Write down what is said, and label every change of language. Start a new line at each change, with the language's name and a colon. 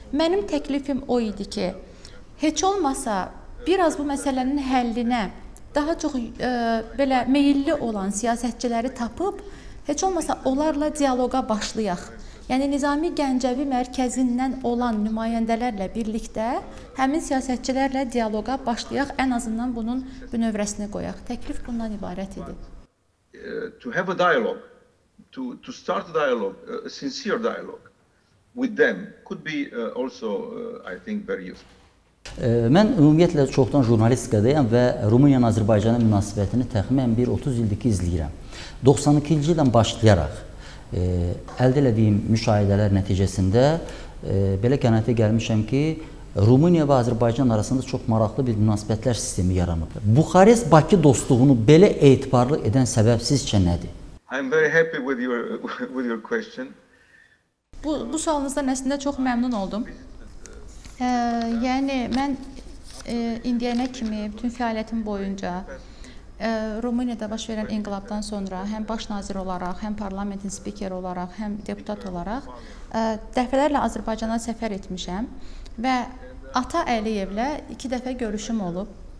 Azerbaijani: Mənim təklifim o idi ki, heç olmasa bir az bu məsələnin həllinə daha çox belə meyilli olan siyasətçiləri tapıb, heç olmasa onlarla dialoqa başlayaq. Yəni Nizami Gəncəvi mərkəzindən olan nümayəndələrlə birlikdə həmin siyasətçilərlə dialoqa başlayaq, ən azından bunun bünövrəsini qoyaq. Təklif bundan ibarət idi.
English: To have a dialogue, to start a dialogue, a sincere dialogue with them could be also I think very useful.
Azerbaijani: Mən ümumiyyətlə çoxdan jurnalistikadayım və Rumıniyanın Azərbaycanın münasibətini təxminən bir 30 ildir ki izləyirəm. 92-ci ildən başlayaraq əldə elədiyim müşahidələr nəticəsində belə qənaətə gəlmişəm ki, Rumıniya və Azərbaycan arasında çox maraqlı bir münasibətlər sistemi yaranıb. Buxarest-Bakı dostluğunu belə etibarlı edən səbəb sizcə nədir?
English: I'm very happy with your question.
Azerbaijani: Bu sualınızdan əslində çox məmnun oldum. Yəni mən indiyənə kimi bütün fəaliyyətim boyunca Rumıniyada baş verən inqilabdan sonra həm başnazir olaraq, həm parlamentin spikeri olaraq, həm deputat olaraq dəfələrlə Azərbaycana səfər etmişəm və Ata Əliyevlə iki dəfə görüşüm olub.